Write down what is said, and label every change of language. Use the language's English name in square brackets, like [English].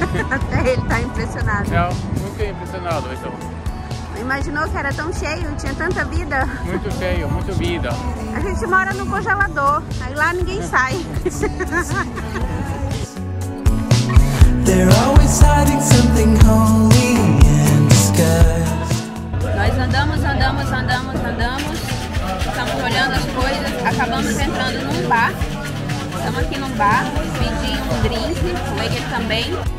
[Portuguese] Até ele tá impressionado. Não, muito impressionado, então. Imaginou que era tão cheio, tinha tanta vida? Muito cheio, muito vida. A gente mora no congelador, aí lá ninguém sai. [English] They're always hiding something holy in the sky. [Portuguese] Nós andamos, estamos olhando as coisas, acabamos entrando num bar. Estamos aqui num bar, pedi um drink, o Eger também.